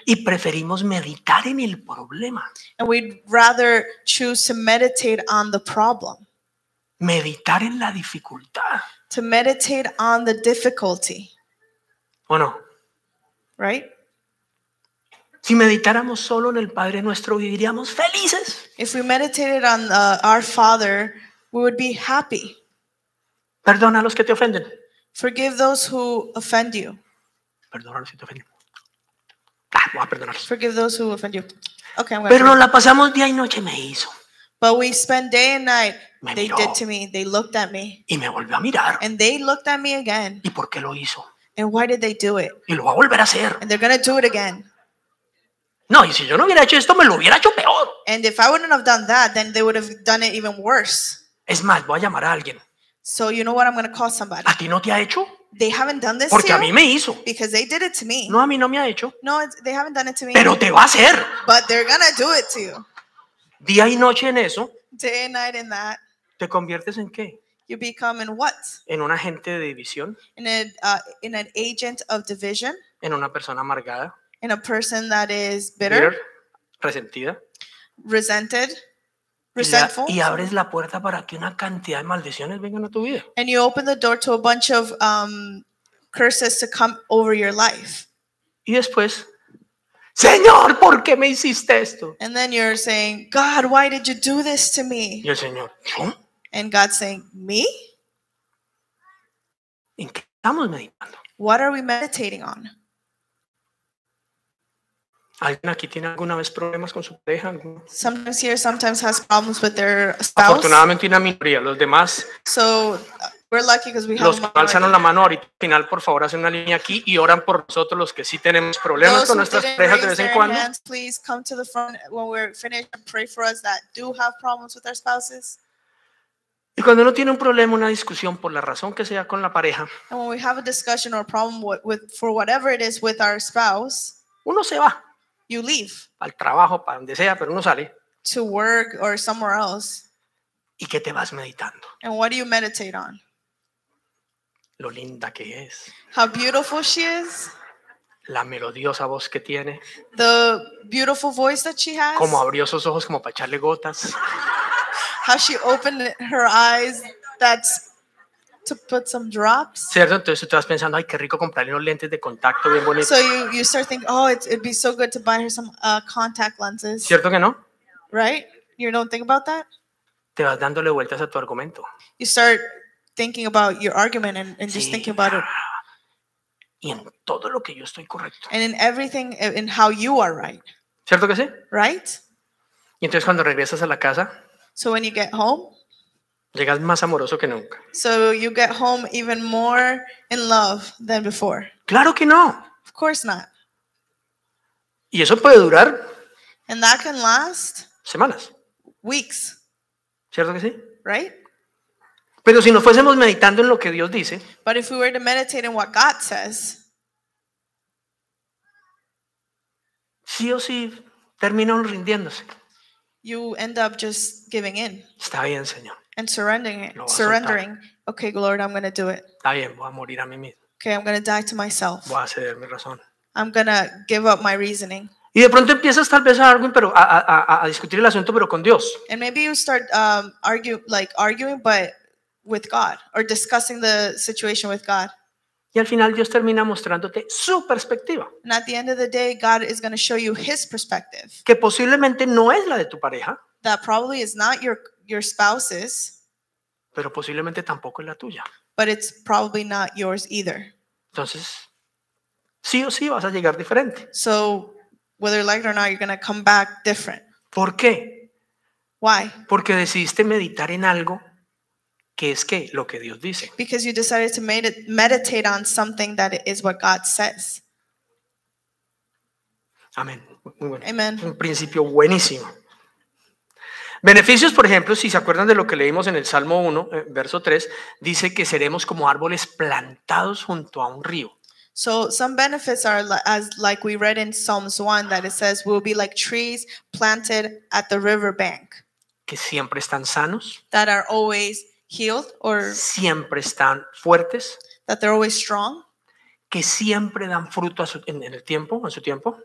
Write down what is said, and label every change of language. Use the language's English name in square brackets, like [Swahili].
[Spanish] Y preferimos meditar en el problema. [English] And we'd rather choose to meditate on the problem. [Spanish] Meditar en la dificultad. [English] To meditate on the difficulty. [Spanish] ¿O no? [English] Right? [Spanish] Si meditáramos solo en el Padre Nuestro, viviríamos felices. [English] If we meditated on our Father, we would be happy. [Spanish] Perdona a los que te ofenden. [English] Forgive those who offend you. [Spanish] Perdona a los que te ofenden. Voy a perdonarlos. [English] Forgive those who offend you. Okay, I'm [Spanish] Pero la pasamos día y noche, me hizo. [English] But we spend day and night. They did to me. They looked at me. [Spanish] Y me volvió a mirar. [English] And they looked at me again. [Spanish] ¿Y por qué lo hizo? [English] And why did they do it? [Spanish] Y lo va a volver a hacer. [English] And they're going to do it again. [Spanish] No, y si yo no hubiera hecho esto, me lo hubiera hecho peor. [English] And if I wouldn't have done that, then they would have done it even worse. [Spanish] Es más, voy a llamar a alguien. [English] So you know what, I'm going to call somebody. [Spanish] ¿A ti no te ha hecho? [English] They haven't done this [Spanish] Porque [English] to you. [Spanish] Porque a mí me hizo. [English] Because they did it to me. [Spanish] No, a mí no me ha hecho. [English] No, they haven't done it to me. [Spanish] Pero te va a hacer. [English] But they're going to do it to you. [Spanish] Día y noche en eso. [English] Day and night in that. [Spanish] ¿Te conviertes en qué? [English] You become in what? [Spanish] En un agente de división. [English] In an agent of division. [Spanish] En una persona amargada. [English] In a person that is bitter. [Spanish] Bitter. Resentida. [English] Resented. [Spanish] Y abres la puerta para que una cantidad de maldiciones vengan a tu vida. [English] And you open the door to a bunch of curses to come over your life. [Spanish] Y después, Señor, ¿por qué me hiciste esto? [English] And then you're saying, God, why did you do this to me? [Spanish] Y el Señor, ¿yo? [English] And God's saying, me? [Spanish] ¿En qué estamos meditando? [English] What are we meditating on? [Spanish] ¿Alguien aquí tiene alguna vez problemas con su pareja? [English] Sometimes here, sometimes has problems with their spouse. [Spanish] Afortunadamente una minoría, los demás. [English] So we're lucky because we have. [Spanish] Los que alzan la mano ahorita al final, por favor, hacen una línea aquí y oran por nosotros los que sí tenemos problemas [English] those [Spanish] con nuestras parejas de vez en cuando. [English] Hands, please come to the front when we're finished and pray for us that do have problems with our spouses. [Spanish] Y cuando uno tiene un problema, una discusión por la razón que sea con la pareja. [English] And when we have a discussion or a problem with for whatever it is with our spouse. [Spanish] Uno se va. [English] You leave. [Spanish] Al trabajo, para donde sea, pero uno sale. [English] To work or somewhere else. [Spanish] ¿Y qué te vas meditando? [English] And what do you meditate on? [Spanish] Lo linda que es. [English] How beautiful she is. [Spanish] La melodiosa voz que tiene. [English] The beautiful voice that she has. [Spanish] Como abrió sus ojos como para echarle gotas. [English] How she opened her eyes that's to put some drops. [Spanish] Cierto, entonces tú estás pensando, ay, qué rico comprarle unos lentes de contacto bien bonitos. [English] So you start thinking, oh, it'd be so good to buy her some contact lenses. [Spanish] ¿Cierto que no? [English] Right? You don't think about that? [Spanish] Te vas dándole vueltas a tu argumento. [English] You start thinking about your argument and just [Spanish] sí. [English] Thinking about it. [Spanish] Y en todo lo que yo estoy correcto. [English] And in everything in how you are right. [Spanish] ¿Cierto que sí? [English] Right? [Spanish] Y entonces cuando regresas a la casa, [English] so when you get home, [Spanish] llegas más amoroso que nunca. [English] So you get home even more in love than before. [Spanish] Claro que no. [English] Of course not. [Spanish] Y eso puede durar. [English] And that can last. [Spanish] Semanas. [English] Weeks. [Spanish] ¿Cierto que sí? [English] Right? [Spanish] Pero si nos fuésemos meditando en lo que Dios dice. [English] But if we were to meditate in what God says. [Spanish] Sí o sí, termino rindiéndose. [English] You end up just giving in. [Spanish] Está bien, Señor. [English] And surrendering it. Surrendering. Okay, Lord, I'm going to do it. [Spanish] Está bien, voy a morir a mí mismo. [English] Okay, I'm going to die to myself. [Spanish] Voy a ceder mi razón. [English] I'm going to give up my reasoning. [Spanish] Y de pronto empiezas tal vez a arguing, pero a discutir el asunto, pero con Dios. [English] And maybe you start arguing, but with God, or discussing the situation with God. [Spanish] Y al final Dios termina mostrándote su perspectiva. [English] And at the end of the day, God is going to show you his perspective. [Spanish] Que posiblemente no es la de tu pareja. [English] That probably is not your spouse's, [Spanish] pero posiblemente tampoco es la tuya. [English] But it's probably not yours either. [Spanish] Entonces, sí o sí vas a llegar diferente. [English] So, whether you like it or not, you're going to come back different. [Spanish] ¿Por qué? [English] Why? [Spanish] Porque decidiste meditar en algo que es que lo que Dios dice. [English] Because you decided to meditate on something that is what God says. [Spanish] Amén. Muy bueno. [English] Amen. [Spanish] Un principio buenísimo. Beneficios, por ejemplo, si se acuerdan de lo que leímos en el Salmo 1, verso 3, dice que seremos como árboles plantados junto a un río. [English] So some benefits are as like we read in Psalms 1 that it says we'll be like trees planted at the river bank. [Spanish] Que siempre están sanos. [English] That are always healed or [Spanish] siempre están fuertes. [English] That they're always strong. [Spanish] Que siempre dan fruto a su, en el tiempo, en su tiempo.